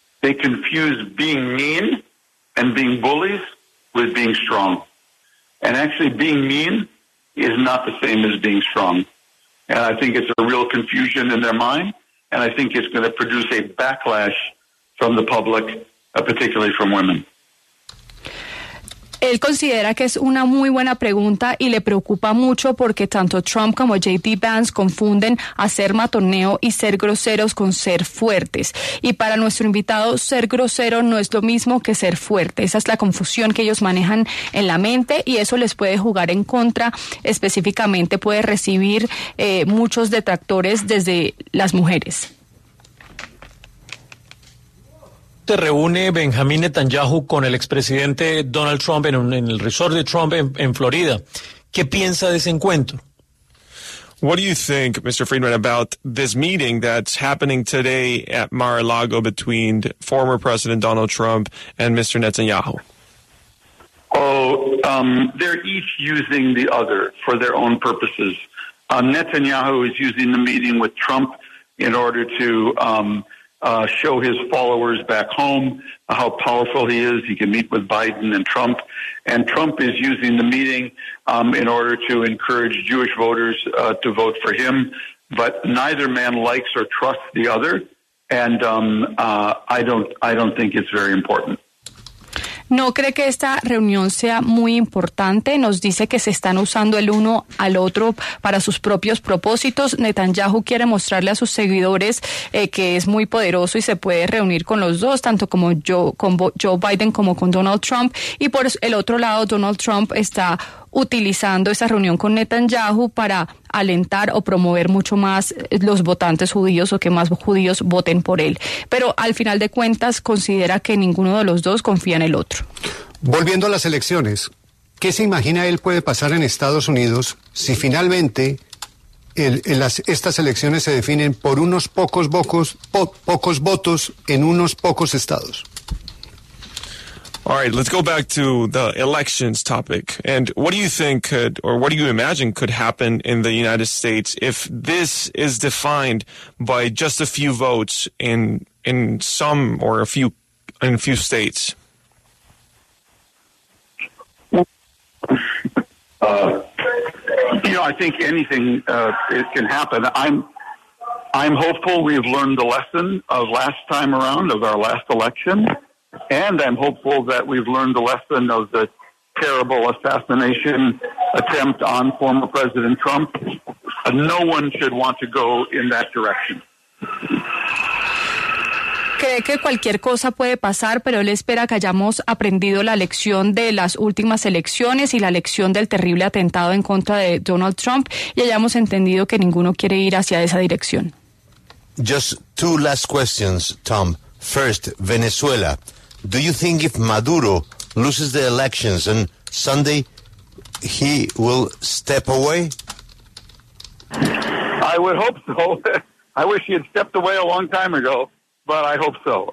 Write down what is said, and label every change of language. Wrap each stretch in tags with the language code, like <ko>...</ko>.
<en>They confuse being mean and being bullies with being strong. And actually being mean is not the same as being strong. And I think it's a real confusion in their mind. And I think it's going to produce a backlash from the public, particularly from women.</en> <es>Él considera que es una muy buena pregunta y le preocupa mucho porque tanto Trump como J.D. Vance confunden hacer matoneo y ser groseros con ser fuertes. Y para nuestro invitado, ser grosero no es lo mismo que ser fuerte. Esa es la confusión que ellos manejan en la mente, y eso les puede jugar en contra. Específicamente puede recibir muchos detractores desde las mujeres. ¿Se reúne Benjamín Netanyahu con el expresidente Donald Trump en el resort de Trump en Florida? ¿Qué piensa de ese encuentro?</es> <en>What do you think, Mr. Friedman, about this meeting that's happening today at Mar-a-Lago between former President Donald Trump and Mr. Netanyahu? They're each using the other for their own purposes. Netanyahu is using the meeting with Trump in order to show his followers back home how powerful he is. He can meet with Biden and Trump. And Trump is using the meeting in order to encourage Jewish voters to vote for him. But neither man likes or trusts the other. And I don't think it's very important.</en> <es>No cree que esta reunión sea muy importante. Nos dice que se están usando el uno al otro para sus propios propósitos. Netanyahu quiere mostrarle a sus seguidores que es muy poderoso y se puede reunir con los dos, tanto como Joe Biden como con Donald Trump. Y por el otro lado, Donald Trump está utilizando esa reunión con Netanyahu para alentar o promover mucho más los votantes judíos o que más judíos voten por él. Pero al final de cuentas considera que ninguno de los dos confía en el otro. Volviendo a las elecciones, ¿qué se imagina él puede pasar en Estados Unidos si finalmente estas elecciones se definen por unos pocos votos en unos pocos estados?</es> <en>All right, let's go back to the elections topic. And what do you think could, or what do you imagine could happen in the United States if this is defined by just a few votes in some or a few states? I think anything it can happen. I'm hopeful we've learned the lesson of last time around, of our last election. And I'm hopeful that we've learned the lesson of the terrible assassination attempt on former President Trump. No one should want to go in that direction.</en> <es>Cree que cualquier cosa puede pasar, pero él espera que hayamos aprendido la lección de las últimas elecciones y la lección del terrible atentado en contra de Donald Trump y hayamos entendido que ninguno quiere ir hacia esa dirección.</es> <en>Just two last questions, Tom. First, Venezuela. Do you think if Maduro loses the elections on Sunday, he will step away? I would hope so. I wish he had stepped away a long time ago, but I hope so.</en>